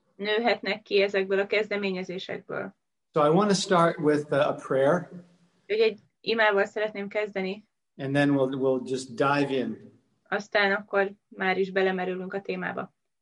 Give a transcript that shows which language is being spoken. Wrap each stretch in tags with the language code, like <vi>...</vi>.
<hu>Nőhetnek ki ezekből a kezdeményezésekből.</hu> <en>So I want to start with a prayer.</en> <hu>Úgy egy imával szeretném kezdeni.</hu> <en>And then we'll just dive in.</en> <hu>Aztán akkor már is belemerülünk a témába.</hu>